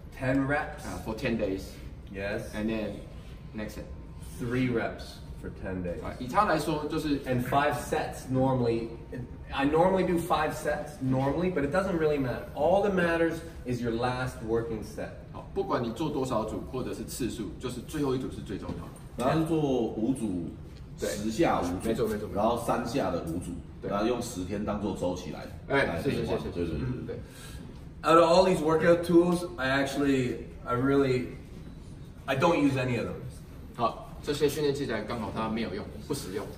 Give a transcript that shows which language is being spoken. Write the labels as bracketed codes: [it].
[en] 10 reps. For 10 days. Yes. And then next set. 3 reps. For 10 days. [zh] 以他来说就是 [en] And 5 sets normally. I normally do 5 sets normally, but it doesn't really matter. All that matters is your last working set. [zh] 好，不管你做多少组或者是次数，就是最后一组是最重要的。他是做5组，十下5组，没错。然后3下的5组，对，然后用10天当做周期来，哎，是，对。 [en] Out of all these workout tools, I don't use any of them. [zh] 好。这些训练器材刚好它没有用，不实用。